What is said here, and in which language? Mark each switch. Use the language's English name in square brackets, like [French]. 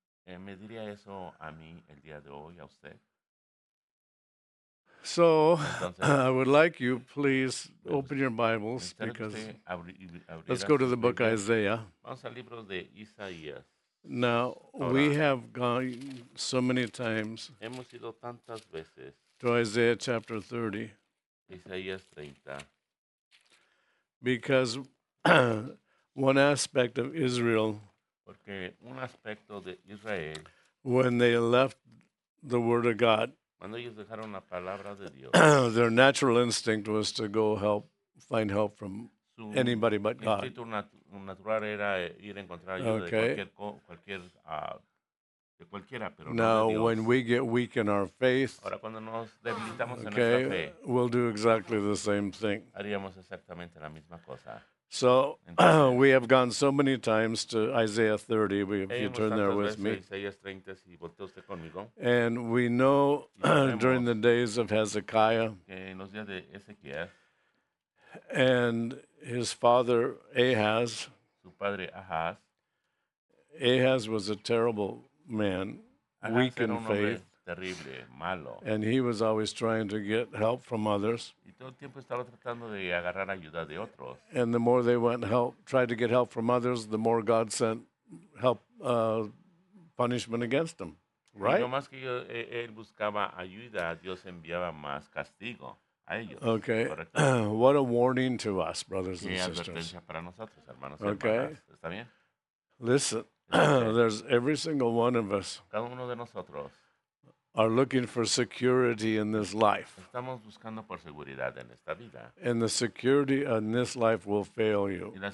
[Spanish] ¿Me diría eso a mí el día de hoy, a usted? [English] So, entonces, I would like you, please, open your Bibles, because let's go to the book Isaiah. [Spanish] Vamos al libro de Isaías. [English] Now, ahora, we have gone so many times [Spanish] hemos ido tantas veces [English] to Isaiah chapter 30, [Spanish] Isaías 30. [English] Because one aspect of Israel, [Spanish] porque un aspecto de Israel, [English] when they left the Word of God, [Spanish] cuando ellos dejaron la palabra de Dios, [English] their natural instinct was to go find help from anybody but God. [Spanish] Natural era ir a encontrar ayuda, okay, de cualquiera, pero [English] now, [Spanish] no de Dios. [English] When we get weak in our faith, [Spanish] ahora cuando nos debilitamos, [English] okay, [Spanish] en nuestra fe, [English] we'll do exactly the same thing. [Spanish] Haríamos exactamente la misma cosa. [English] So, entonces, we have gone so many times to Isaiah 30, if you turn there with me. [Spanish] Isaías 30, si voltea usted conmigo. [English] And we know during the days of Hezekiah, [Spanish] que en los días de Ezequiel, [English] and His father, Ahaz. [Spanish] Su padre, Ahaz. [English] Ahaz was a terrible man, Ahaz weak in faith. [Spanish] Terrible, malo. [English] And he was always trying to get help from others. [Spanish] Y todo el tiempo estaba tratando de agarrar ayuda de otros. [English] And the more they went help, tried to get help from others, the more God sent help, punishment against them. Right? [Spanish] Y lo más que yo, él buscaba ayuda, Dios enviaba más castigo. [English] Okay, what a warning to us, brothers and sisters. Okay, listen, there's every single one of us are looking for security in this life. And the security in this life will fail you.